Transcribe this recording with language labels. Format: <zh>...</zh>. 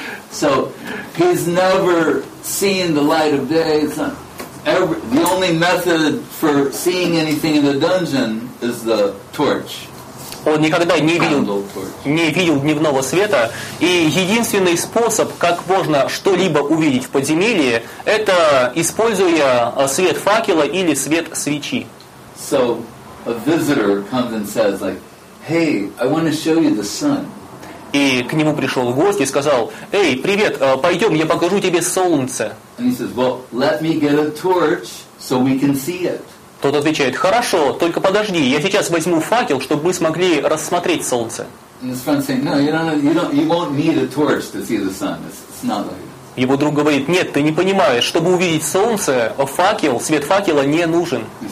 <en>So he's never seen the light of day. The only method for seeing anything in the dungeon is the torch.</en> <ru>Он никогда не видел дневного света, и единственный способ, как можно что-либо увидеть в подземелье, это используя свет факела или свет свечи.</ru> <en>So a visitor comes and says, like, "Hey, I want to show you the sun."</en> <ru>И к нему пришел гость и сказал: "Эй, привет, пойдем, я покажу тебе солнце."</ru> <en>And he says, "Well, let me get a torch so we can see it."</en> <ru>Тот отвечает: «Хорошо, только подожди, я сейчас возьму факел, чтобы мы смогли рассмотреть солнце». Его друг говорит: «Нет, ты не понимаешь, чтобы увидеть солнце, факел, свет факела не нужен».</ru>